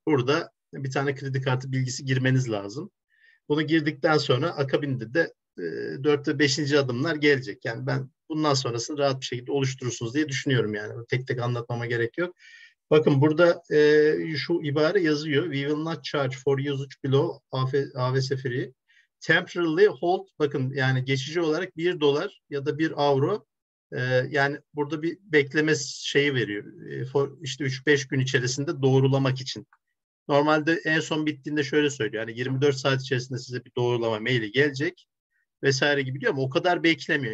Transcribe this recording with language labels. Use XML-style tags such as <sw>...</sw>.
<tr>Burada bir tane kredi kartı bilgisi girmeniz lazım. Bunu girdikten sonra akabinde de dört ve beşinci adımlar gelecek. Yani ben bundan sonrasını rahat bir şekilde oluşturursunuz diye düşünüyorum yani. Tek tek anlatmama gerek yok. Bakın burada şu ibare yazıyor.</tr> <en>We will not charge for usage below AVS free. Temporarily hold.</en> <tr>Bakın yani geçici olarak 1 dolar ya da 1 euro. Yani burada bir bekleme şeyi veriyor. İşte 3-5 gün içerisinde doğrulamak için. Normalde en son bittiğinde şöyle söylüyor. Yani 24 saat içerisinde size bir doğrulama maili gelecek vesaire gibi diyor ama o kadar beklemiyor.</tr>